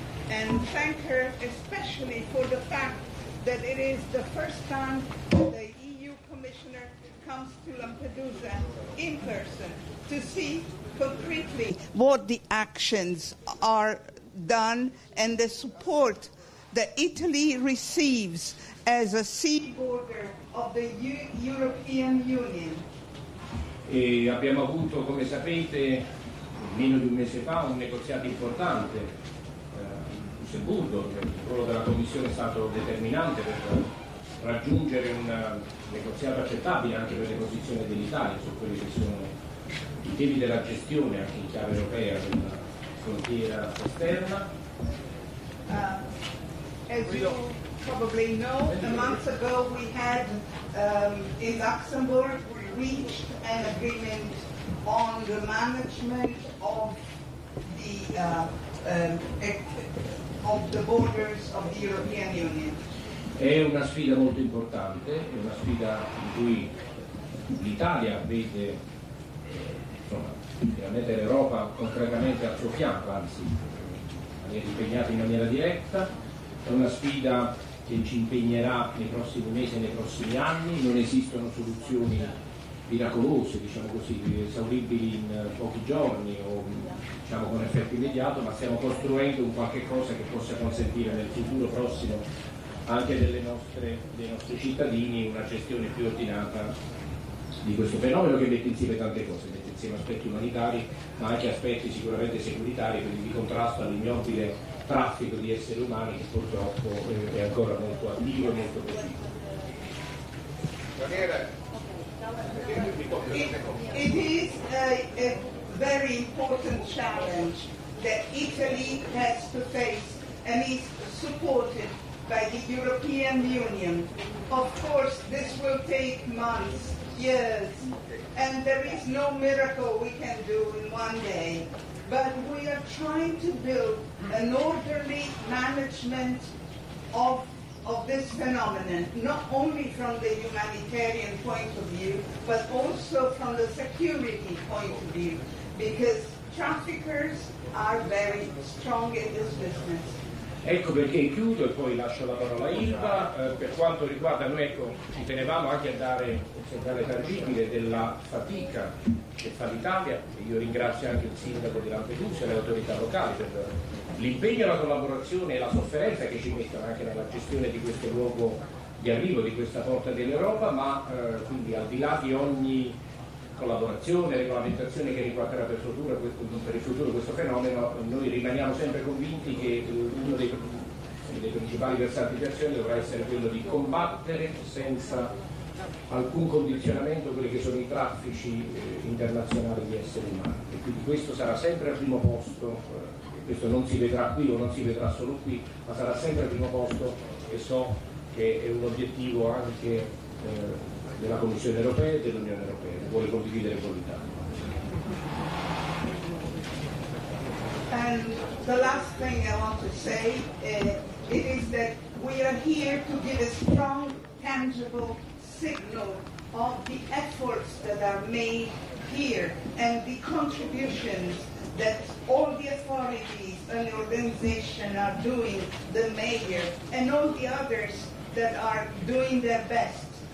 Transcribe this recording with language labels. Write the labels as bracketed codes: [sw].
[en] and thank her especially for the fact that it is the first time the EU Commissioner comes to Lampedusa in person to see concretely what the actions are done and the support that Italy receives as a sea border of the European Union. [it] E abbiamo avuto, come sapete, meno di un mese fa un negoziato importante in Lussemburgo. Il ruolo della Commissione è stato determinante per raggiungere un negoziato accettabile anche per le posizioni dell'Italia su quelli che sono i temi della gestione anche in chiave europea della frontiera esterna. [en] As you probably know, a month ago we had in Luxembourg reached an agreement on the management of the of the borders of the European Union. [it] È una sfida molto importante, è una sfida in cui l'Italia vede veramente l'Europa concretamente al suo fianco, anzi è impegnata in maniera diretta. È una sfida che ci impegnerà nei prossimi mesi e nei prossimi anni. Non esistono soluzioni miracolose, diciamo così, esauribili in pochi giorni o diciamo con effetto immediato, ma stiamo costruendo un qualche cosa che possa consentire nel futuro prossimo anche dei nostri cittadini una gestione più ordinata di questo fenomeno che mette insieme tante cose, mette insieme aspetti umanitari ma anche aspetti sicuramente securitari, quindi di contrasto all'ignobile traffico di esseri umani che purtroppo è ancora molto attivo e molto presente. [en] It is a very important challenge that Italy has to face and is supported by the European Union. Of course, this will take months, years, and there is no miracle we can do in one day. But we are trying to build an orderly management of this phenomenon, not only from the humanitarian point of view, but also from the security point of view, because traffickers are very strong in this business. [it] Ecco perché chiudo e poi lascio la parola a Ylva. Per quanto riguarda noi, ecco, ci tenevamo anche a dare un segnale tangibile della fatica che fa l'Italia. Io ringrazio anche il sindaco di Lampedusa e le autorità locali per l'impegno, la collaborazione e la sofferenza che ci mettono anche nella gestione di questo luogo di arrivo, di questa porta dell'Europa, ma quindi al di là di ogni collaborazione, regolamentazione che riguarderà per il futuro questo fenomeno, noi rimaniamo sempre convinti che uno dei principali versanti di azione dovrà essere quello di combattere senza alcun condizionamento quelli che sono i traffici internazionali di esseri umani, e quindi questo sarà sempre al primo posto, questo non si vedrà qui o non si vedrà solo qui, ma sarà sempre al primo posto, e so che è un obiettivo anche della Commissione europea e dell'Unione europea, vuole condividere con l'Italia. [en] And the last thing I want to say it is that we are here to give a strong, tangible signal of the efforts that are made here and the contributions that all the authorities and the organization are doing, the mayor and all the others that are doing their best.